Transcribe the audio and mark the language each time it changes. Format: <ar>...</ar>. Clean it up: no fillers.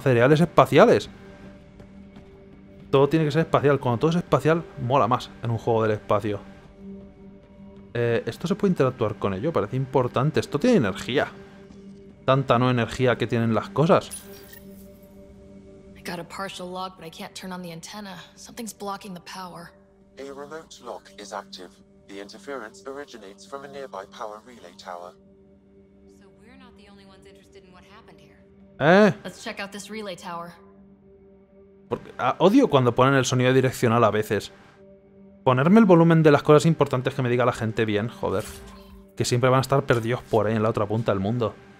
<es>Cereales espaciales. Todo tiene que ser espacial. Cuando todo es espacial, mola más en un juego del espacio. ¿Esto se puede interactuar con ello? Parece importante. Esto tiene energía. Tanta no energía que tienen las cosas.</es> <en>Got a partial lock, but I can't turn on the antenna. Something's blocking the power. A remote lock is active. The interference originates from a nearby power relay tower. So we're not the only ones interested in what happened here. ¿Eh? Let's check out this relay tower.</en> <es>Porque odio cuando ponen el sonido direccional a veces. Ponerme el volumen de las cosas importantes que me diga la gente bien, joder. Que siempre van a estar perdidos por ahí en la otra punta del mundo.</es>